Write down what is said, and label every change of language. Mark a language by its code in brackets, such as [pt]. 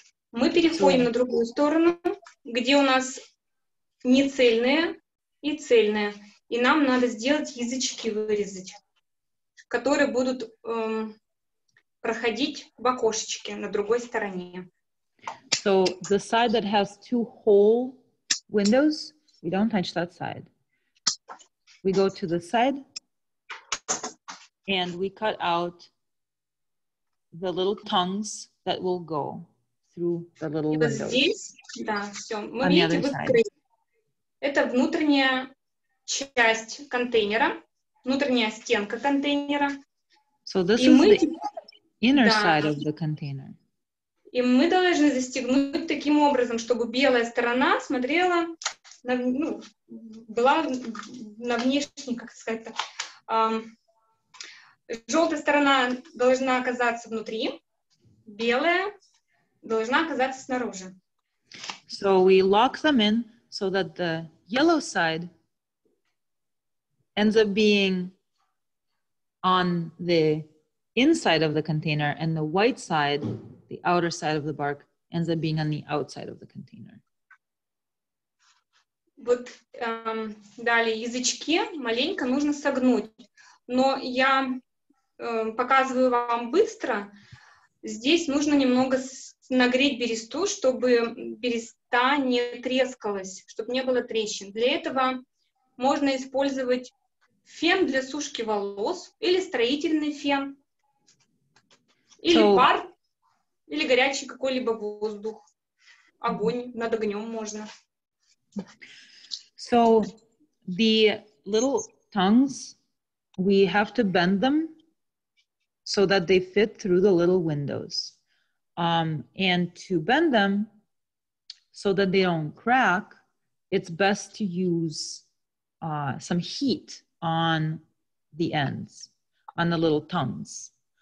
[ru] Мы переходим на другую сторону, где у нас не цельные и цельные. И нам надо сделать язычки вырезать, которые будут... проходить в окошечке на другой стороне. [en] So the side that has two whole windows, we don't touch that side. We go to the side and we cut out the little tongues that will go through the little [ru] вот [en] windows. [ru] Здесь, да, все. Мы видите, вот здесь. Это внутренняя часть контейнера, внутренняя стенка контейнера. [en] So this [ru] И [en] is [ru] мы... [en] the... Inner [ru] да. [en] side of the container. [ru] И мы должны застегнуть таким образом, чтобы белая сторона смотрела, на, ну, была на внешней, как сказать-то. Желтая сторона должна оказаться внутри, белая должна оказаться снаружи. [en] So we lock them in so that the yellow side ends up being on the inside of the container, and the white side the outer side of the bark ends up being on the outside of the container. [ru] Вот далее язычки маленько нужно согнуть, но я показываю вам быстро. Здесь нужно немного нагреть бересту, чтобы береста не трескалась, чтобы не было трещин. Для этого можно использовать фен для сушки волос или строительный фен, или пар, или горячий какой-либо воздух, огонь, над огнем можно. [en] So the little tongues, we have to bend them so that they fit through the little windows. And to bend them so that they don't crack, it's best to use some heat on the ends, on the little tongues.